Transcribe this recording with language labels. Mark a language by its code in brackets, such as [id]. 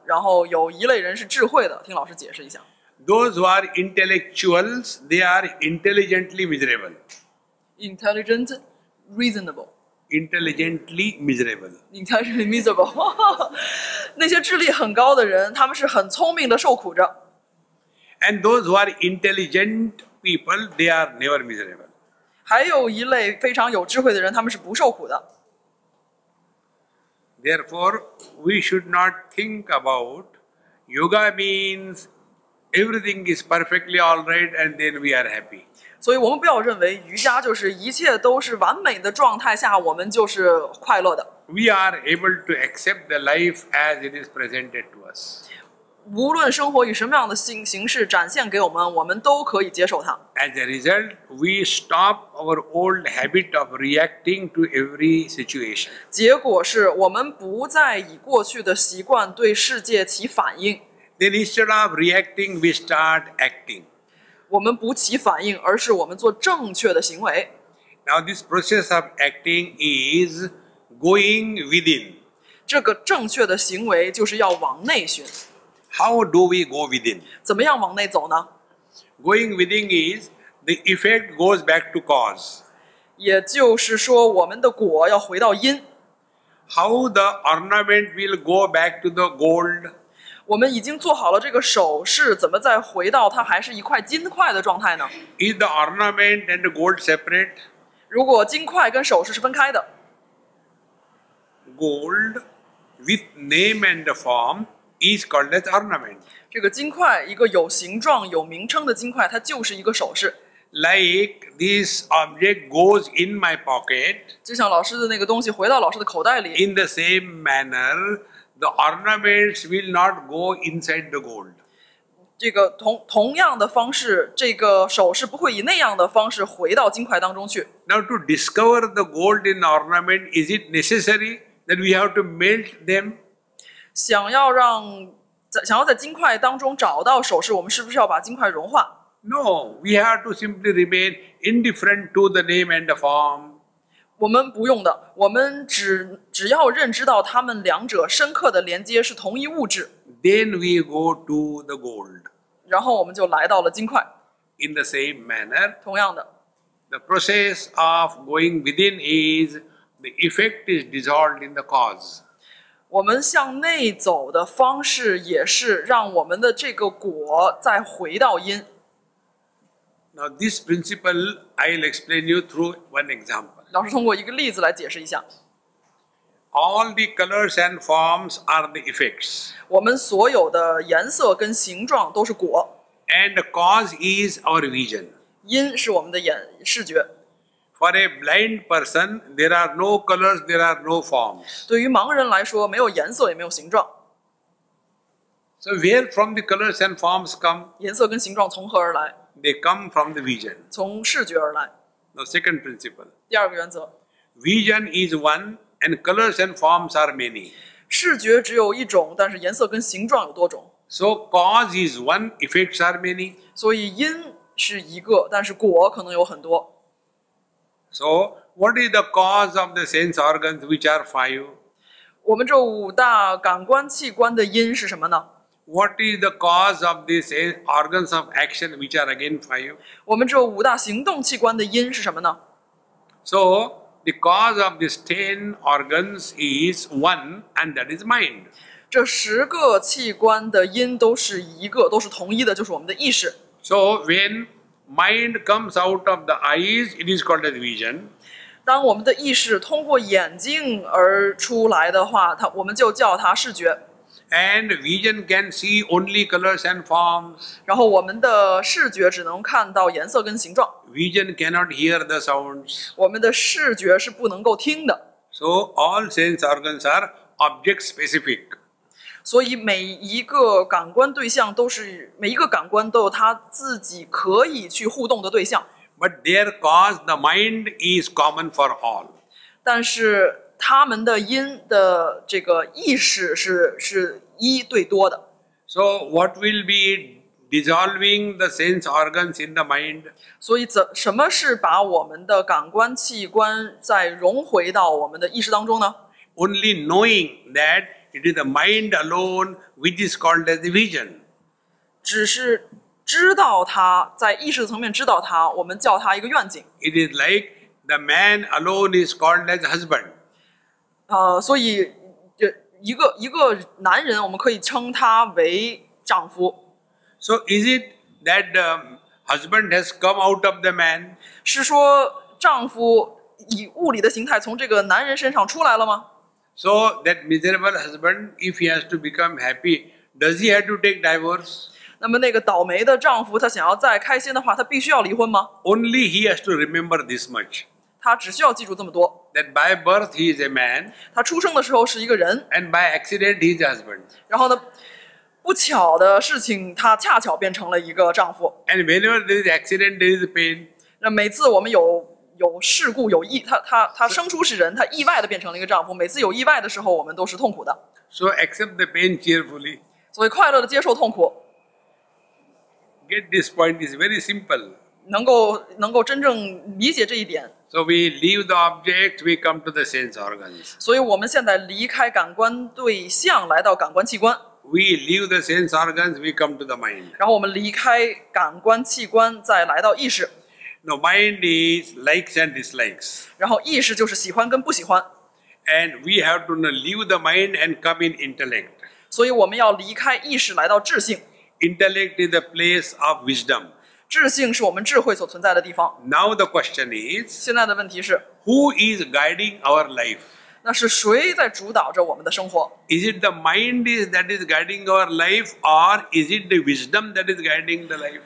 [zh] 有两类人，有一类人是智性的，然后有一类人是智慧的，听老师解释一下。 [en] Those who are intellectuals, they are intelligently miserable. Intelligent, reasonable. Intelligently miserable. Intelligently miserable. [zh] 那些智力很高的人，他们是很聪明的，受苦着。 [en] And those who are intelligent people, they are never miserable. [zh] 还有一类非常有智慧的人，他们是不受苦的。 [en] Therefore, we should not think about yoga means everything is perfectly all right and then we are happy. [zh] 所以我们不要认为瑜伽就是一切都是完美的状态下我们就是快乐的。 [en] We are able to accept the life as it is presented to us. [zh] 无论生活以什么样的形式展现给我们，我们都可以接受它。 [en] As a result, we stop our old habit of reacting to every situation. [zh] 结果是我们不再以过去的习惯对世界起反应。 [en] Then instead of reacting, we start acting. [zh] 我们不起反应，而是我们做正确的行为。 [en] Now this process of acting is going within. [zh] 这个正确的行为就是要往内寻。 [en] How do we go within? [zh] 怎么样往内走呢? [en] Going within is the effect goes back to cause. [zh] 也就是说我们的果要回到因。 [en] How the ornament will go back to the gold? [zh] 我们已经做好了这个首饰，怎么再回到它还是一块金块的状态呢? [en] Is the ornament and the gold separate? [zh] 如果金块跟首饰是分开的。 [en] Gold with name and form,is called as ornament. [zh] 这个金块，一个有形状、有名称的金块，它就是一个首饰。 [en] Like this object goes in my pocket. [zh] 就像老师的那个东西回到老师的口袋里。 [en] In the same manner, the ornaments will not go inside the gold. [zh] 这个同样的方式，这个首饰不会以那样的方式回到金块当中去。 [en] Now to discover the gold in ornament, is it necessary that we have to melt them? [zh] 想要在金块当中找到首饰，我们是不是要把金块融化 [en] ？No, we have to simply remain indifferent to the name and the form. [zh] 我们不用的，我们只要认知到它们两者深刻的连接是同一物质。 [en] Then we go to the gold. [zh] 然后我们就来到了金块。 [en] In the same manner. [zh] 同样的。 [en] The process of going within is the effect is dissolved in the cause. [zh] 我们向内走的方式也是让我们的这个果再回到因。 [en] Now this principle I'll explain you through one example. [zh] 老师通过一个例子来解释一下。 [en] All the colors and forms are the effects. [zh] 我们所有的颜色跟形状都是果。 [en] And the cause is our vision. [zh] 因是我们的眼视觉。 [en] For a blind person, there are no colors, there are no forms. [zh] 对于盲人来说，没有颜色，也没有形状。 [en] So where from the colors and forms come? [zh] 颜色跟形状从何而来？ [en] They come from the vision. [zh] 从视觉而来。 [en] The second principle. [zh] 第二个原则。 [en] Vision is one, and colors and forms are many. [zh] 视觉只有一种，但是颜色跟形状有多种。 [en] So cause is one, effects are many. [zh] 所以因是一个，但是果可能有很多。 [en] So, what is the cause of the sense organs, which are five? [zh] 我们这五大感官器官的因是什么呢？ [en] What is the cause of the sense organs of action, which are again five? [zh] 我们这五大行动器官的因是什么呢？ [en] So, the cause of these ten organs is one, and that is mind. [zh] 这十个器官的因都是一个，都是同一的，就是我们的意识。 [en] So, when... Mind comes out of the eyes, it is called as vision. [zh] 当我们的意识通过眼睛而出来的话，我们就叫它视觉。 [en] And vision can see only colors and forms. [zh] 然后我们的视觉只能看到颜色跟形状。 [en] Vision cannot hear the sounds. [zh] 我们的视觉是不能够听的。 [en] So all sense organs are object specific. [zh] 所以每一个感官对象都是每一个感官都有它自己可以去互动的对象。 [en] But their cause, the mind is common for all. [zh] 但是他们的因的这个意识是一对多的。 [en] So what will be dissolving the sense organs in the mind? [zh] 所以什么是把我们的感官器官再融回到我们的意识当中呢？ [en] Only knowing that. It is the mind alone which is called as the vision. [zh] 只是知道它，在意识层面知道它，我们叫它一个愿景。 [en] It is like the man alone is called as husband. [zh] 所以一个男人，我们可以称他为丈夫。 [en] So is it that the husband has come out of the man? [zh] 是说丈夫以物理的形态从这个男人身上出来了吗？ [en] So that miserable husband, if he has to become happy, does he have to take divorce? [zh] 那么那个倒霉的丈夫，他想要再开心的话，他必须要离婚吗？ [en] Only he has to remember this much. [zh] 他只需要记住这么多。 [en] That by birth he is a man. [zh] 他出生的时候是一个人。 [en] And by accident he is a husband. [zh] 然后呢，不巧的事情，他恰巧变成了一个丈夫。 [en] And whenever there is accident, there is pain. [zh] 那每次我们有事故，有意，他生出是人，他意外的变成了一个丈夫。每次有意外的时候，我们都是痛苦的。 [en] So accept the pain cheerfully. [zh] 所以快乐的接受痛苦。 [en] Get this point is very simple. [zh] 能够真正理解这一点。 [en] So we leave the object, we come to the sense organs. [zh] 所以我们现在离开感官对象，来到感官器官。 [en] We leave the sense organs, we come to the mind. [zh] 然后我们离开感官器官，再来到意识。 [en] No, mind is likes and dislikes. [zh] 然后意识就是喜欢跟不喜欢。 [en] And we have to leave the mind and come in intellect. [zh] 所以我们要离开意识，来到智性。 [en] Intellect is the place of wisdom. [zh] 智性是我们智慧所存在的地方。 [en] Now the question is, [zh] 现在的问题是 [en] who is guiding our life? [zh] 那是谁在主导着我们的生活 [en] ？Is it the mind that is guiding our life, or is it the wisdom that is guiding the life?